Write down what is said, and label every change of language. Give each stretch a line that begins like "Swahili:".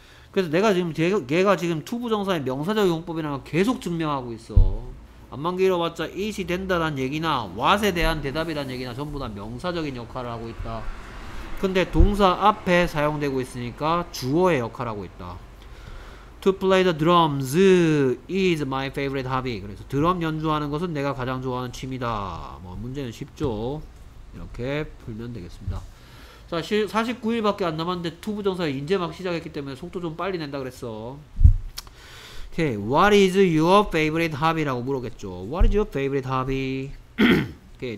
Korean: 그래서 내가 지금 걔가 지금 투부정사의 명사적 용법이라는 걸 계속 증명하고 있어. 앞만 길어봤자 it이 된다란 얘기나 what에 대한 대답이란 얘기나 전부 다 명사적인 역할을 하고 있다. 근데 동사 앞에 사용되고 있으니까 주어의 역할을 하고 있다.
English: To play the drums is my favorite hobby.
Korean: 그래서 드럼 연주하는 것은 내가 가장 좋아하는 취미다. 뭐 문제는 쉽죠. 이렇게 풀면 되겠습니다. 자, 49일밖에 안 남았는데 투부정사에 이제 막 시작했기 때문에 속도 좀 빨리 낸다 그랬어.
English: Okay. What is your favorite hobby?
Korean: 라고 물어겠죠.
English: What is your favorite hobby? Okay.